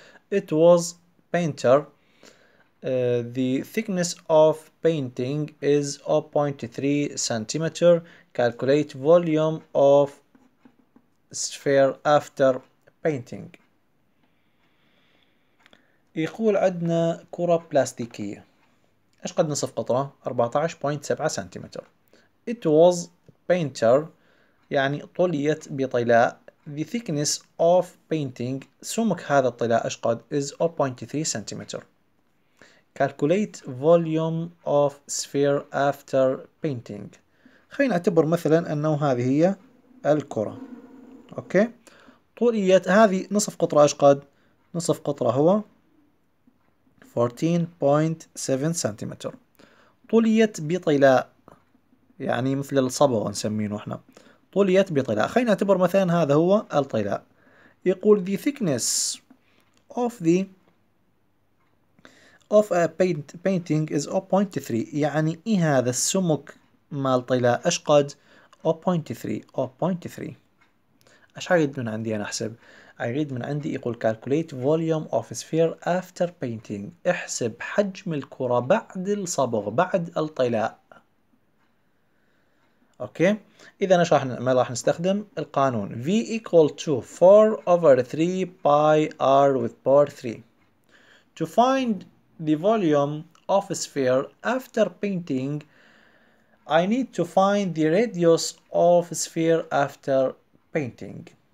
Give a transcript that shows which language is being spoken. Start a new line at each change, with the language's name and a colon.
English: It was painter. The thickness of painting is 0.3 centimeter. Calculate volume of sphere after painting.
Arabic: يقول عندنا كرة بلاستيكية. إيش قد نصف قطرة؟ 14.7 سنتيمتر.
English: It was painter.
Arabic: يعني طليت بطلاء.
English: The thickness of painting.
Arabic: سمك هذا الطلاء إيش قد؟
English: Is 0.3
Arabic: سنتيمتر.
English: Calculate volume of sphere after painting.
Arabic: خلينا نعتبر مثلا أنه هذه هي الكرة. أوكي؟ طليت هذه نصف قطرة إيش قد؟ نصف قطرة هو 14.7 سنتيمتر. طليت بطلاء يعني مثل الصبغة نسمينه احنا. طليت بطلاء. خلينا نعتبر مثلا هذا هو الطلاء. يقول
English: the thickness of a painting is 0.3.
Arabic: يعني ايه هذا السمك مال طلاء ايش قد؟ 0.3. ايش عيد من عندي انا احسب؟ أعيد من عندي يقول
English: calculate volume of sphere after painting.
Arabic: احسب حجم الكرة بعد الصبغ بعد الطلاء. أوكي؟ إذا نشرح ما راح نستخدم القانون
English: V equal to 4 over 3 pi r with power 3. To find the volume of sphere after painting, I need to find the radius of sphere after painting.